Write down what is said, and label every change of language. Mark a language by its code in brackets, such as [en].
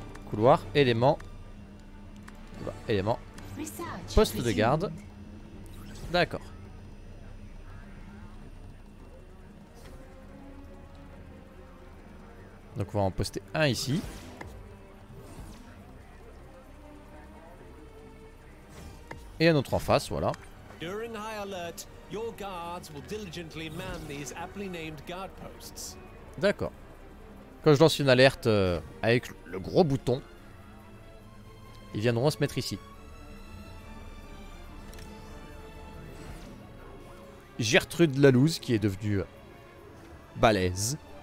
[fr] Couloir, élément. Bah, élément. Poste de garde. D'accord. Donc on va en poster un ici. Et un autre en face, voilà. [en] During high alert, your guards will diligently man these aptly named guard posts. [fr] D'accord. Quand je lance une alerte avec le gros bouton, ils viendront se mettre ici. Gertrude Lalouse qui est devenue balèze.